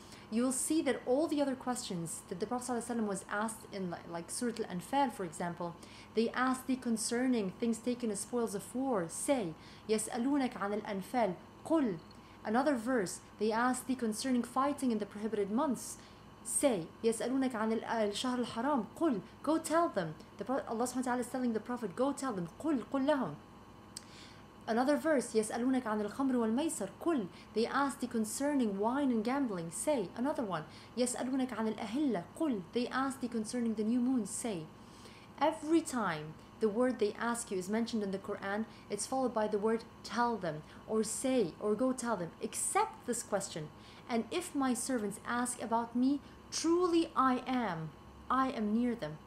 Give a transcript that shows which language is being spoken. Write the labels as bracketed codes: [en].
[en] You will see that all the other questions that the Prophet ﷺ was asked in like Surah Al-Anfal, for example, they asked thee concerning things taken as spoils of war, say, [ar] يسألونك عن الأنفال, قل. [en] Another verse, they asked thee concerning fighting in the prohibited months, say, [ar] يسألونك عن الشهر الحرام, قل. [en] Go tell them. Allah subhanahu wa ta'ala is telling the Prophet, go tell them, [ar] قل, قل لهم. [en] Another verse, [ar] يسألونك عن الخمر والميسر, قل. [en] They ask thee concerning wine and gambling, say. Another one, [ar] يسألونك عن الأهلة, قل. [en] They ask thee concerning the new moon, say. Every time the word they ask you is mentioned in the Quran, it's followed by the word tell them, or say, or go tell them. Accept this question. And if my servants ask about me, truly I am near them.